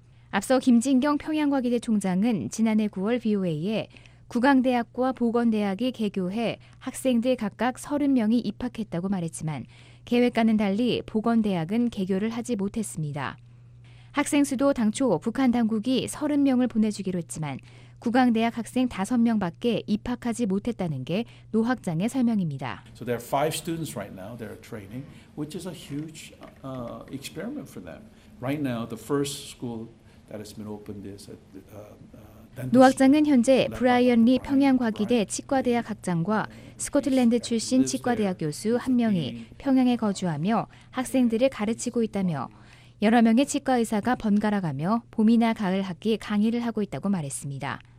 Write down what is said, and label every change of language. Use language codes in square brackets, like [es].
[ko] 앞서 김진경 평양과기대 총장은 지난해 9월 BOA에 국악대학과 보건대학이 개교해 학생들 각각 30명이 입학했다고 말했지만 계획과는 달리 보건대학은 개교를 하지 못했습니다. 학생 수도 당초 북한 당국이 30명을 보내주기로 했지만 구강대학 학생 5명밖에 입학하지 못했다는 게 노 학장의 설명입니다. [en] So there are 5 students right now. They are training, which is a huge experiment for them. Right now, the first school that has been opened is at. [ko] 노 학장은 현재 브라이언 리 평양과기대 치과대학 학장과 스코틀랜드 출신 치과대학 교수 한 명이 평양에 거주하며 학생들을 가르치고 있다며 여러 명의 치과의사가 번갈아가며 봄이나 가을 학기 강의를 하고 있다고 말했습니다.